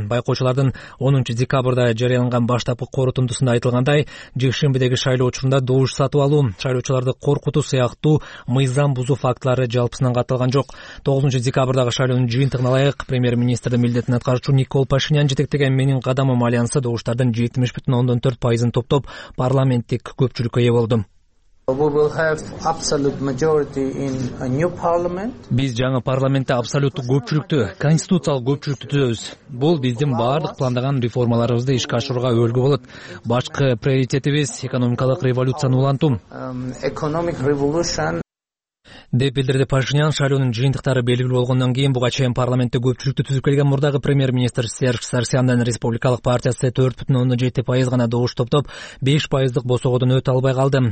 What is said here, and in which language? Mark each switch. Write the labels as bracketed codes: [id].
[ky] Байкоочулардын 10 декабрда жарыяланган баштапкы корутундусунда айтылгандай, жекшембидеги шайлоо учурунда добуш сатып алуу, шайлоочуларды коркутуу сыяктуу мыйзам бузуу фактылары жалпысынан катталган жок. 9 декабрдагы шайлоонун жыйынтыгына ылайык, премьер-министрдин милдетин аткаруучу Никол Пашинян жетектеген Менин Кадамым альянсы добуштардын 70.4% топтоп парламенттик көпчүлүккө ээ болду. [en] We will have absolute majority in a new parliament. [ky] Биз жаңы парламентте абсолюттук көпчүлүктү, конституциялык көпчүлүктү түзөбүз. Бул биздин баардык пландаган реформаларыбызды ишке ашырууга өлгү болот. Башкы приоритетибиз экономикалык революцияны улантуу. [en] Economic revolution. [ky] Деп билдирди Пашинян. Шайлоонун жыйынтыктары белгилүү болгондон кийин буга чейин парламентте көпчүлүктү түзүп келген мурдагы премьер-министр Серж Сарсяндын республикалык партиясы 4.7% гана добуш топтоп, 5% босогодон өтө албай калды.